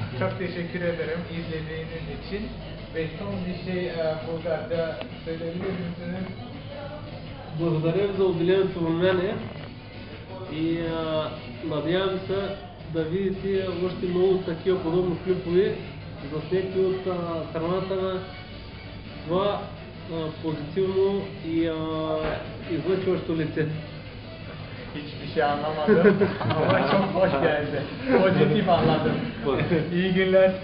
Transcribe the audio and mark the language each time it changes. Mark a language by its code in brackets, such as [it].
[tr] Çok teşekkür ederim izlediğiniz için. Ve son bir şey Bulgar'da söyleyebilir misiniz? [bg] Благодарим за отделението на мене и надявам се да видите още много такива подобни клипове заснети от страната на това позитивно и излъчващо лице. [tr] Hiçbir şey anlamadım ama çok hoş geldi. Pozitif anladım. İyi günler.